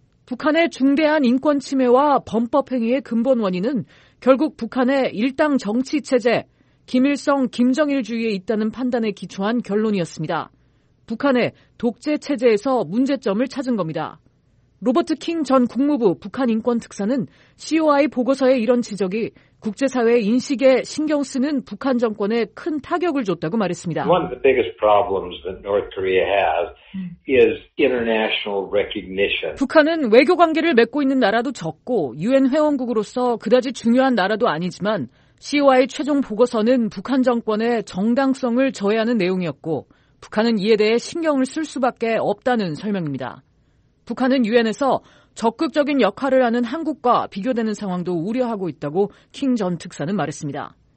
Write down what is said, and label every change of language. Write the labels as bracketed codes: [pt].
[ko] 북한의 중대한 인권 침해와 범법 행위의 근본 원인은 결국 북한의 일당 정치 체제, 김일성, 김정일 주의에 있다는 판단에 기초한 결론이었습니다. 북한의 독재 체제에서 문제점을 찾은 겁니다. 로버트 킹 전 국무부 북한인권특사는 COI 보고서의 이런 지적이 국제사회의 인식에 신경 쓰는 북한 정권에 큰 타격을 줬다고 말했습니다. [en] One of the biggest problems that North Korea has is international recognition. [ko] 북한은 외교관계를 맺고 있는 나라도 적고 유엔 회원국으로서 그다지 중요한 나라도 아니지만 CY 최종 보고서는 북한 정권의 정당성을 저해하는 내용이었고 북한은 이에 대해 신경을 쓸 수밖에 없다는 설명입니다. 북한은 유엔에서 적극적인 역할을 하는 한국과 비교되는 상황도 우려하고 있다고 킹 전 특사는 말했습니다.